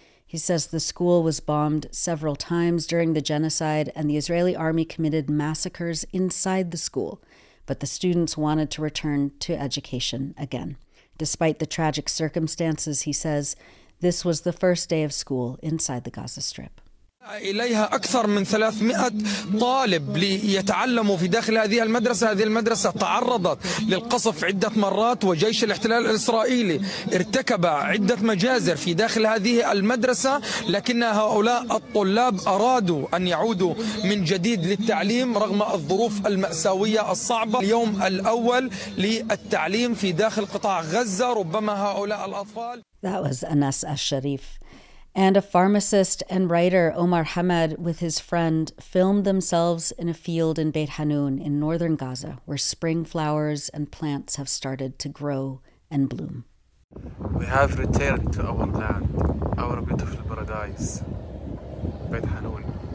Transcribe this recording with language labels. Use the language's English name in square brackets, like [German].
[English] He says the school was bombed several times during the genocide and the Israeli army committed massacres inside the school, but the students wanted to return to education again. Despite the tragic circumstances, he says, this was the first day of school inside the Gaza Strip. [Arabic] إليها أكثر من 300 طالب ليتعلموا في داخل هذه المدرسة هذه المدرسة تعرضت للقصف عدة مرات وجيش الاحتلال الإسرائيلي ارتكب عدة مجازر في داخل هذه المدرسة لكن هؤلاء الطلاب أرادوا أن يعودوا من جديد للتعليم رغم الظروف المأساوية الصعبة اليوم الأول للتعليم في داخل قطاع غزة ربما هؤلاء الأطفال. [English] That was Anas Al-Sharif. And a pharmacist and writer, Omar Hamad, with his friend, filmed themselves in a field in Beit Hanun in northern Gaza, where spring flowers and plants have started to grow and bloom. We have returned to our land, our beautiful paradise, Beit Hanun.